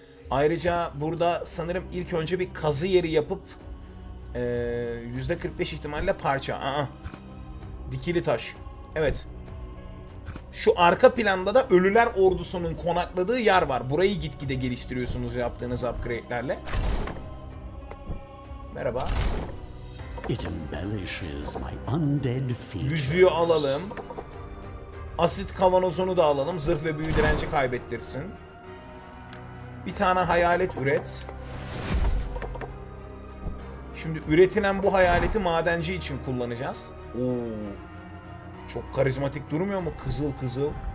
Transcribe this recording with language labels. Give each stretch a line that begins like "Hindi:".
Turkish: Ayrıca burada sanırım ilk önce bir kazı yeri yapıp %45 ihtimalle parça. Aa, dikili taş. Evet. Şu arka planda da ölüler ordusunun konakladığı yer var. Burayı gitgide geliştiriyorsunuz yaptığınız upgrade'lerle. Merhaba.
English: It embellishes my undead features.
Turkish: Yüzüğü alalım. Asit kavanozunu da alalım. Zırh ve büyü direnci kaybettirsin. Bir tane hayalet üret. Şimdi üretilen bu hayaleti madenci için kullanacağız. Oo. Çok karizmatik durmuyor mu? Kızıl kızıl.